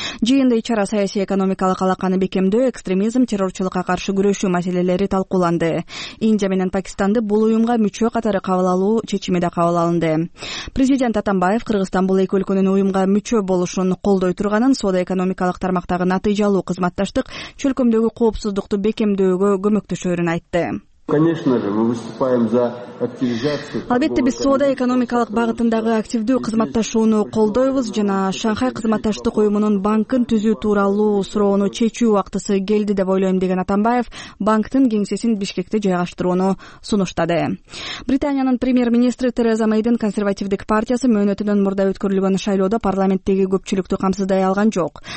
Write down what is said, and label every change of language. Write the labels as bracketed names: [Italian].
[Kyrgyz] Жыйында ич ара саясий экономикалык алаканы бекемдөө, экстремизм, террорчулукка каршы күрөшүү маселелери талкууланды. Индия менен Пакистанды бул уюмга мүчө катары кабыл алуу чечими да кабыл алынды. Президент Атамбаев Кыргызстан бул эки өлкөнүн уюмга мүчө болушун колдоо турганын, соода экономикалык тармактагы натыйжалуу кызматташтык чөлкөмдөгү коопсуздукту бекемдөөгө көмөктөшөрүн айтты. [Russian] Конечно же, мы выступаем за активизацию. [Kyrgyz] Албетте, биз соода экономикалык багытындагы активдүү кызматташууну колдойбуз жана Шанхай кызматташтык уюмунун банкын түзүү тууралуу суроону чечүү убактысы келди деп ойлойм, деген Атамбаев банктын кеңсесин Бишкекте жайгаштырууну сунуштады. Британиянын премьер-министри Тереза Мейдин консервативдик партиясы мөөнөтүнөн мурда өткөрүлгөн шайлоодо парламенттеги көпчүлүктү камсыздай алган жок.